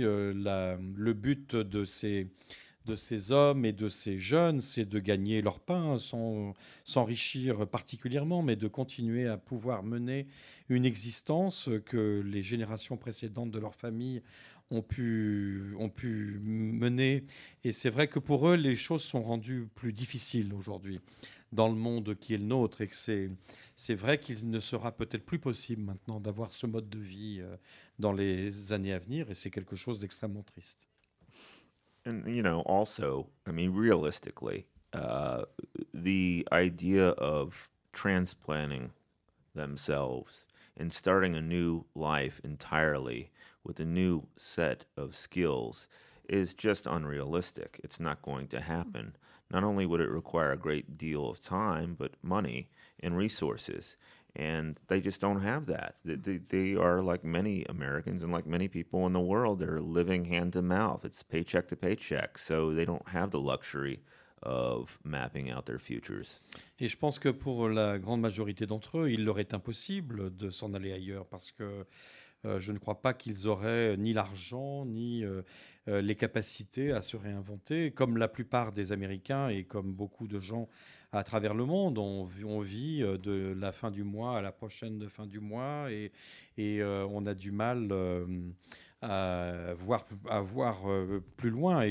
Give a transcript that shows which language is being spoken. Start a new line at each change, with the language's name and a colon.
French: Le but de ces hommes et de ces jeunes, c'est de gagner leur pain sans s'enrichir particulièrement, mais de continuer à pouvoir mener une existence que les générations précédentes de leur famille ont pu mener. Et c'est vrai que pour eux, les choses sont rendues plus difficiles aujourd'hui dans le monde qui est le nôtre, et que c'est vrai qu'il ne sera peut-être plus possible maintenant d'avoir ce mode de vie dans les années à venir, et c'est quelque chose d'extrêmement triste.
English: And you know, also, I mean, realistically, the idea of transplanting themselves and starting a new life entirely with a new set of skills is just unrealistic. It's not going to happen. Not only would it require a great deal of time, but money and resources. And they just don't have that. They are like many Americans and like many people in the world, they're living hand to mouth. It's paycheck to paycheck. So they don't have the luxury of mapping out their futures.
French: Et je pense que pour la grande majorité d'entre eux, il leur est impossible de s'en aller ailleurs, parce que je ne crois pas qu'ils auraient ni l'argent, ni les capacités à se réinventer. Comme la plupart des Américains et comme beaucoup de gens à travers le monde, on vit de la fin du mois à la prochaine fin du mois, et on a du mal à voir plus loin.